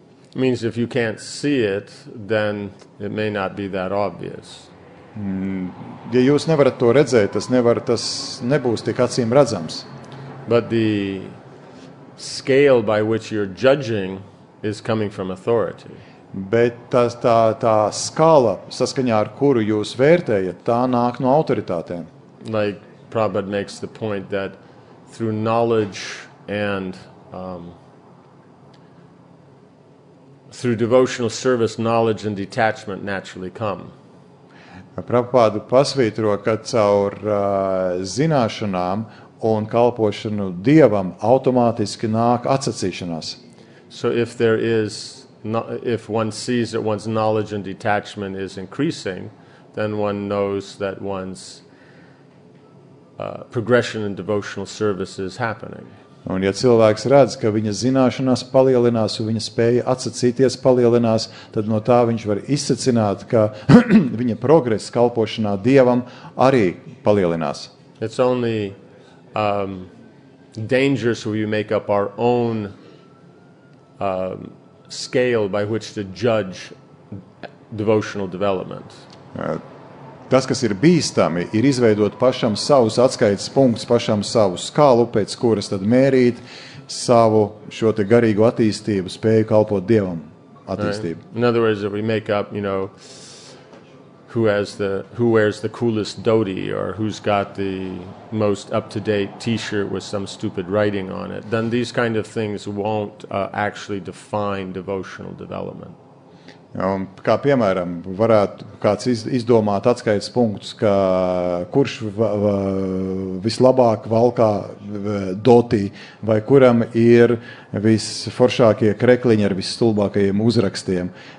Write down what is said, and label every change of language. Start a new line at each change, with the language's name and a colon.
English: It means if you can't see it, then it may not be that obvious.
Latvian: Ja jūs nevarat to redzēt, tas nebūs tik acīm redzams.
English: But the scale by which you're judging is coming from authority.
Latvian: Bet tā skala, saskaņā ar kuru jūs vērtējat, tā nāk no autoritātēm.
English: Like Prabhupada makes the point that through knowledge and through devotional service, knowledge and detachment naturally come.
Latvian: Prabhupāda pasvītro, ka caur zināšanām un kalpošanu Dievam automātiski nāk atsacīšanās.
English: So if there is if one sees that one's knowledge and detachment is increasing, then one knows that one's progression in devotional service is happening.
Latvian: Un ja cilvēks redz, ka viņa zināšanās palielinās un viņa spēja atsacīties palielinās, tad no tā viņš var izsacināt, ka viņa progress kalpošanā Dievam arī palielinās.
English: It's only dangerous when we make up our own scale by which to judge devotional development.
Latvian: Tas, kas ir bīstami, ir izveidot pašam savus atskaites punktus, pašam savu skalu, pēc kuras tad mērīt savu šo te garīgo attīstību, spēju kalpot Dievam attīstību.
English: Right. In other words, if we make up, you know, who wears the coolest dhoti or who's got the most up-to-date t-shirt with some stupid writing on it, then these kind of things won't actually define devotional development.
Latvian: Un, kā piemēram, varētu kāds izdomāt atskaites punktus, ka kurš vislabāk valkā dotī vai kuram ir visforšākie krekliņi ar visstulbākajiem uzrakstiem.